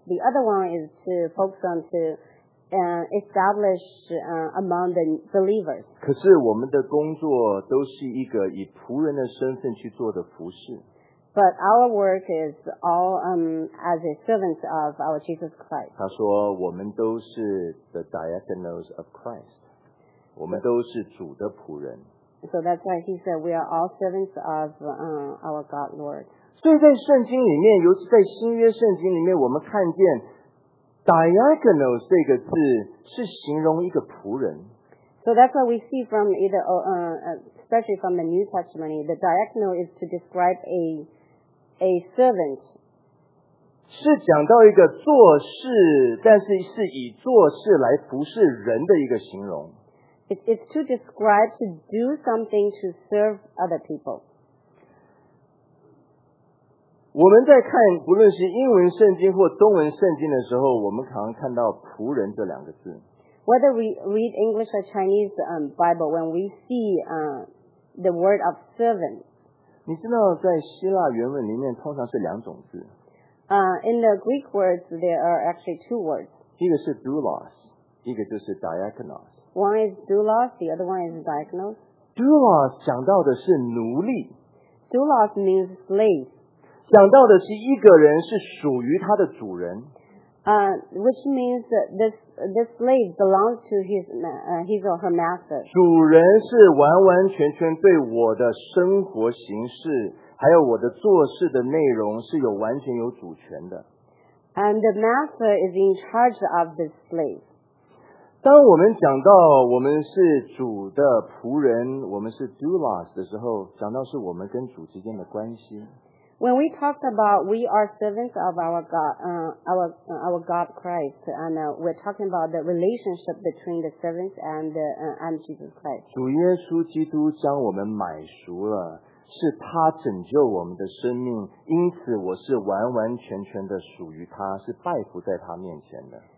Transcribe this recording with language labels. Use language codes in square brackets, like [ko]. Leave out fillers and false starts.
[en] The other one is to focus on to establish among the believers. [zh] 可是我们的工作都是一个以仆人的身份去做的服事。 [en] But our work is all as a servant of our Jesus Christ. [zh] 他说我们都是 [en] the diakonos of Christ. [zh] 我们都是主的仆人。 [en] So that's why he said we are all servants of our God Lord. [zh] 所以在圣经里面，尤其在新约圣经里面，我们看见 diakonos 这个字是形容一个仆人。 [en] So that's what we see from either, especially from the New Testament, the diakonos is to describe a servant. [zh] 是讲到一个做事，但是是以做事来服侍人的一个形容。 [en] It's to describe to do something to serve other people. [zh] 我们在看不论是英文圣经或中文圣经的时候，我们常常看到仆人这两个字。 [en] Whether we read English or Chinese Bible, when we see the word of servant, [zh] 你知道在希腊原文里面通常是两种字。 [en] In the Greek words, there are actually two words. [zh] 一个是 doulos, 一个就是 diakonos. [en] One is doulos, the other one is diakonos. [zh] Doulos 讲到的是奴隶。 [en] Doulos means slave. [zh] 讲到的是一个人是属于他的主人。 [en] Which means this slave belongs to his or her master. [zh] 主人是完完全全对我的生活形式还有我的做事的内容是有完全有主权的。 [en] And the master is in charge of this slave. [zh] 当我们讲到我们是主的仆人，我们是 doulos 的时候，讲到是我们跟主之间的关系。 [en] When we talk about we are servants of our God, our God Christ, and we're talking about the relationship between the servants and Jesus Christ. [zh] 主耶稣基督将我们买赎了，是他拯救我们的生命，因此我是完完全全的属于他，是拜服在他面前的。